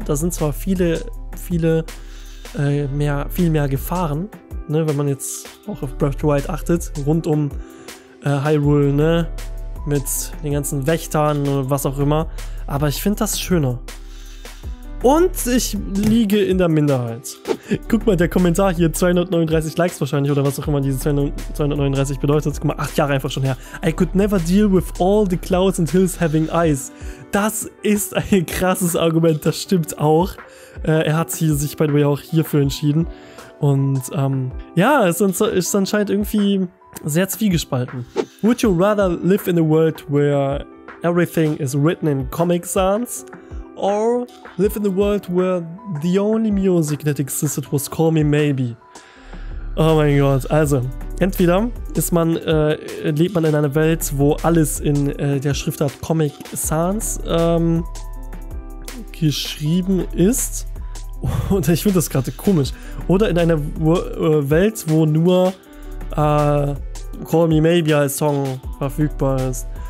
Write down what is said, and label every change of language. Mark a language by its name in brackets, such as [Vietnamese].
[German] Da sind zwar viel mehr Gefahren, ne, wenn man jetzt auch auf Breath of the Wild achtet, rund um Hyrule, ne, mit den ganzen Wächtern oder was auch immer, aber ich finde das schöner. Und ich liege in der Minderheit. Guck mal, der Kommentar hier, 239 Likes wahrscheinlich oder was auch immer diese 239 bedeutet. Guck mal, 8 Jahre einfach schon her. [English] I could never deal with all the clouds and hills having eyes. [German] Das ist ein krasses Argument, das stimmt auch. Er hat sich, [English] by the way, [German] auch hierfür entschieden. Und ja, es ist anscheinend irgendwie sehr zwiegespalten. [English] Would you rather live in a world where everything is written in Comic Sans? Or live in a world where the only music that existed was Call Me Maybe? [German] Oh mein Gott, also, entweder ist man, lebt man in einer Welt, wo alles in der Schriftart Comic Sans geschrieben ist. Und ich finde das gerade komisch. Oder in einer Welt, wo nur Call Me Maybe als Song verfügbar ist.